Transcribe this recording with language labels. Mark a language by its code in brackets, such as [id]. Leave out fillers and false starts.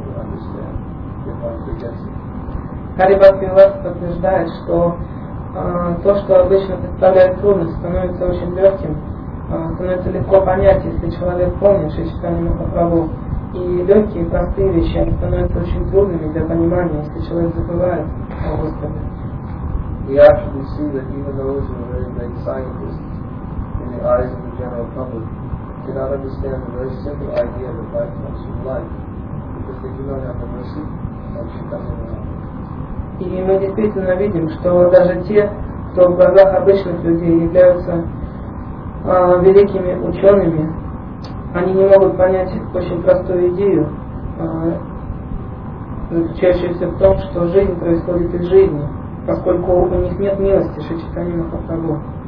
[ru] Hari Bhakti Vilas подтверждает, что то, что обычно представляет трудность, становится очень легким, становится легко понять, если человек помнит Шри Чайтанья Махапрабху. И легкие, простые вещи, они становятся очень трудными для понимания, если человек забывает о Господе. [en] We actually see that even those who are very great scientists in the eyes of the general public cannot understand the very simple idea that life comes from life, because they do not have the mercy of Sri Chaitanya Mahaprabhu. [ru] И мы действительно видим, что даже те, кто в глазах обычных людей являются великими учеными, они не могут понять очень простую идею, заключающуюся в том, что жизнь происходит из жизни, поскольку у них нет милости Шри Чайтанья Махапрабху.